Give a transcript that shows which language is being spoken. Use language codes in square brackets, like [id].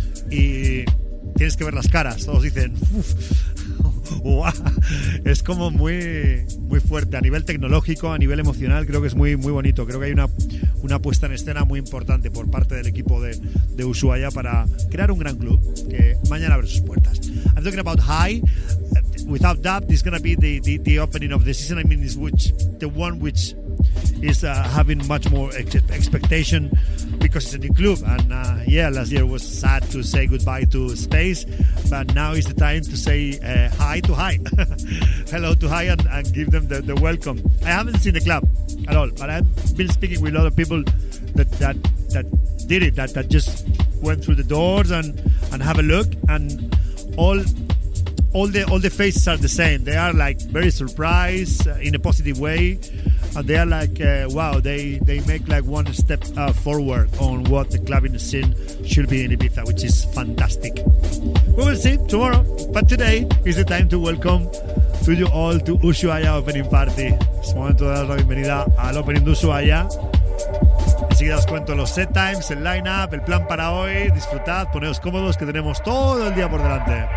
[es] Y tienes que ver las caras. Todos dicen, uff, wow. Es como muy, muy fuerte a nivel tecnológico, a nivel emocional. Creo que es muy, muy bonito. Creo que hay una puesta en escena muy importante por parte del equipo de Ushuaia para crear un gran club que mañana abre sus puertas. [en] I'm talking about High. Without doubt, this is going to be the opening of the season. I mean, this which the one which is having much more expectation because it's a new club. And yeah, last year was sad to say goodbye to Space, but now is the time to say hi to High. Hello to High and give them the welcome. I haven't seen the club at all, but I've been speaking with a lot of people that did it, that just went through the doors and have a look, and all the faces are the same. They are like very surprised in a positive way, and they are like wow, they make like one step forward on what the clubbing scene should be in Ibiza, which is fantastic. We will see tomorrow, but today is the time to welcome to you all to Ushuaia opening party. [es] Es momento de dar la bienvenida al opening de Ushuaia. Enseguida os cuento los set times, el lineup, el plan para hoy. Disfrutad, poneos cómodos, que tenemos todo el día por delante.